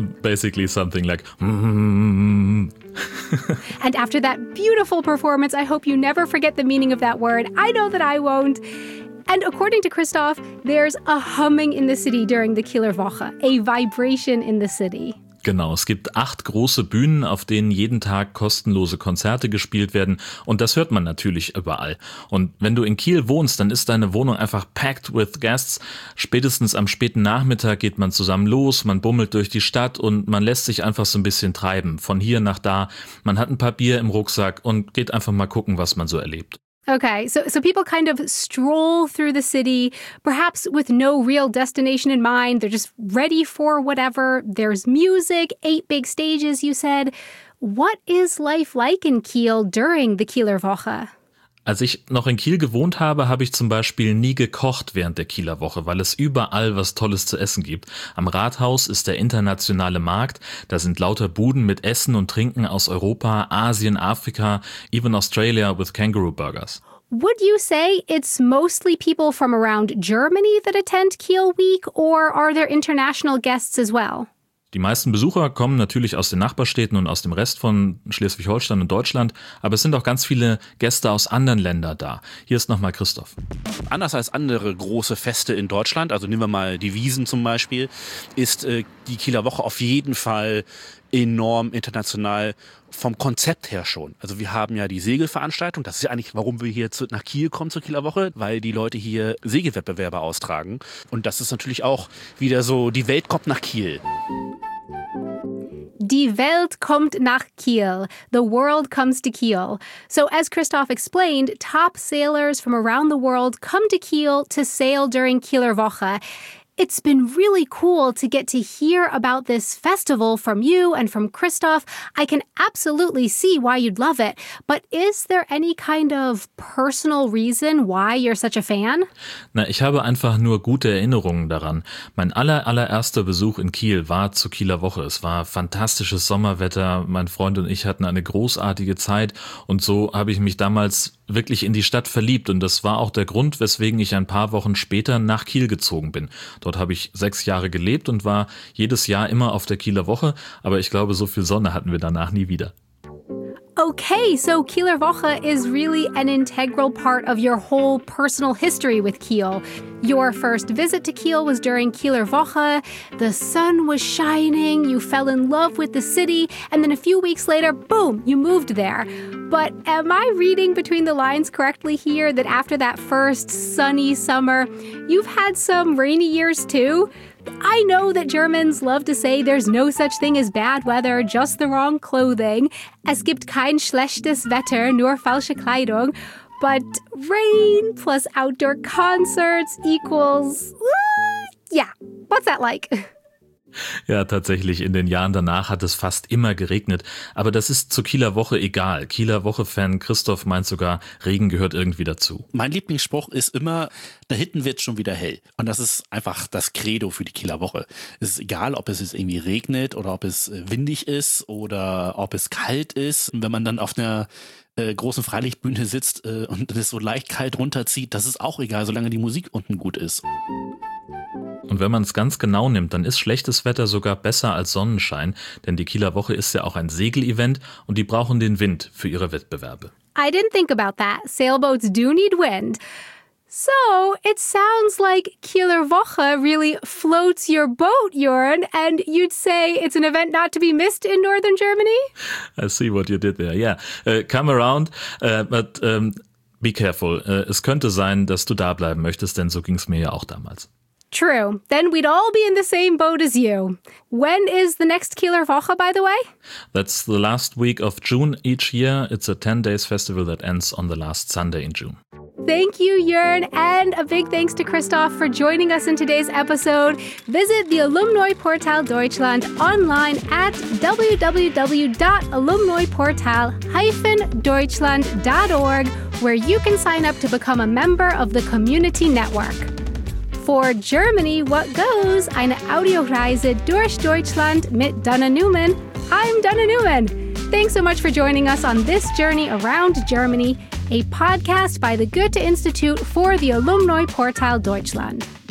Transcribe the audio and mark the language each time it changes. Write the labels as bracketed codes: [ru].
[en] Basically something like And after that beautiful performance, I hope you never forget the meaning of that word. I know that I won't. And according to Christoph, there's a humming in the city during the Kieler Woche, a vibration in the city. [de] Genau, es gibt 8 große Bühnen, auf denen jeden Tag kostenlose Konzerte gespielt werden. Und das hört man natürlich überall. Und wenn du in Kiel wohnst, dann ist deine Wohnung einfach [en] packed with guests. [de] Spätestens am späten Nachmittag geht man zusammen los, man bummelt durch die Stadt und man lässt sich einfach so ein bisschen treiben. Von hier nach da, man hat ein paar Bier im Rucksack und geht einfach mal gucken, was man so erlebt. [en] Okay, so people kind of stroll through the city, perhaps with no real destination in mind. They're just ready for whatever. There's music, 8 big stages, you said. What is life like in Kiel during the Kieler Woche? [de] Als ich noch in Kiel gewohnt habe, habe ich zum Beispiel nie gekocht während der Kieler Woche, weil es überall was Tolles zu essen gibt. Am Rathaus ist der internationale Markt. Da sind lauter Buden mit Essen und Trinken aus Europa, Asien, Afrika, [en] even Australia with kangaroo burgers. Would you say it's mostly people from around Germany that attend Kiel Week or are there international guests as well? [de] Die meisten Besucher kommen natürlich aus den Nachbarstädten und aus dem Rest von Schleswig-Holstein und Deutschland, aber es sind auch ganz viele Gäste aus anderen Ländern da. Hier ist nochmal Christoph. Anders als andere große Feste in Deutschland, also nehmen wir mal die Wiesn zum Beispiel, ist die Kieler Woche auf jeden Fall enorm international vom Konzept her schon. Also wir haben ja die Segelveranstaltung, das ist ja eigentlich, warum wir hier nach Kiel kommen zur Kieler Woche, weil die Leute hier Segelwettbewerbe austragen. Und das ist natürlich auch wieder so, die Welt kommt nach Kiel. Die Welt kommt nach Kiel. [en] The world comes to Kiel. So as Christoph explained, top sailors from around the world come to Kiel to sail during Kieler Woche. It's been really cool to get to hear about this festival from you and from Christoph. I can absolutely see why you'd love it. But is there any kind of personal reason why you're such a fan? Na, ich habe einfach nur gute Erinnerungen daran. Mein allererster Besuch in Kiel war zur Kieler Woche. Es war fantastisches Sommerwetter. Mein Freund und ich hatten eine großartige Zeit. Und so habe ich mich damals wirklich in die Stadt verliebt. Und das war auch der Grund, weswegen ich ein paar Wochen später nach Kiel gezogen bin. Dort habe ich 6 Jahre gelebt und war jedes Jahr immer auf der Kieler Woche. Aber ich glaube, so viel Sonne hatten wir danach nie wieder. Okay, so Kieler Woche is really an integral part of your whole personal history with Kiel. Your first visit to Kiel was during Kieler Woche. The sun was shining, you fell in love with the city, and then a few weeks later, boom, you moved there. But am I reading between the lines correctly here that after that first sunny summer, you've had some rainy years too? I know that Germans love to say there's no such thing as bad weather, just the wrong clothing. [de] Es gibt kein schlechtes Wetter, nur falsche Kleidung. [en] But rain plus outdoor concerts equals... Yeah, what's that like? [de] Ja, tatsächlich, in den Jahren danach hat es fast immer geregnet. Aber das ist zur Kieler Woche egal. Kieler Woche-Fan Christoph meint sogar, Regen gehört irgendwie dazu. Mein Lieblingsspruch ist immer, da hinten wird es schon wieder hell. Und das ist einfach das Credo für die Kieler Woche. Es ist egal, ob es jetzt irgendwie regnet oder ob es windig ist oder ob es kalt ist. Und wenn man dann auf einer großen Freilichtbühne sitzt und es so leicht kalt runterzieht, das ist auch egal, solange die Musik unten gut ist. Und wenn man es ganz genau nimmt, dann ist schlechtes Wetter sogar besser als Sonnenschein, denn die Kieler Woche ist ja auch ein Segel-Event und die brauchen den Wind für ihre Wettbewerbe. [en] I didn't think about that. Sailboats do need wind. So, it sounds like Kieler Woche really floats your boat, Jörn, and you'd say it's an event not to be missed in northern Germany? I see what you did there. Yeah, come around, but be careful. [de] Es könnte sein, dass du da bleiben möchtest, denn so ging es mir ja auch damals. [en] True. Then we'd all be in the same boat as you. When is the next Kieler Woche, by the way? That's the last week of June each year. It's a 10-day festival that ends on the last Sunday in June. Thank you, Jörn, and a big thanks to Christoph for joining us in today's episode. Visit the Alumni Portal Deutschland online at www.alumniportal-deutschland.org, where you can sign up to become a member of the community network. For Germany, what goes? [de] Eine Audioreise durch Deutschland mit Dana Newman. [en] I'm Dana Newman. Thanks so much for joining us on this journey around Germany, a podcast by the Goethe-Institut for the Alumni Portal Deutschland.